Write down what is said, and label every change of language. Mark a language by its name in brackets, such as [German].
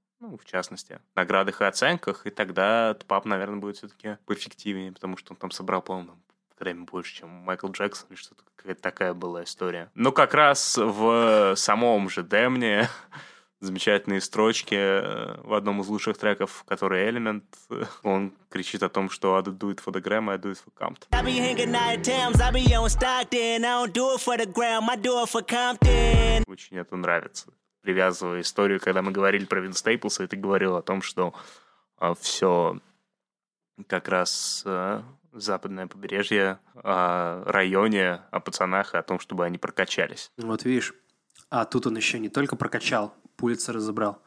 [Russian] Ну, в частности, наградах и оценках, и тогда Тупап, наверное, будет все-таки поэффективнее, потому что он там собрал, по-моему, Грэмми больше, чем Майкл Джексон, или что-то какая-то такая была история. Но как раз в самом же Демне замечательные строчки в одном из лучших треков, который Element, он кричит о том, что [English] I do it for the gram, I do it for Compton. I be hanging out at Tams, I be on Stockton, I don't do it for the gram, I do it for Compton. [Russian] Очень это нравится. Привязывая историю, когда мы говорили про Винс Стейплса, и ты говорил о том, что все как раз западное побережье о районе, о пацанах, о том, чтобы они прокачались. Вот видишь, а тут он еще не только прокачал, пульса разобрал.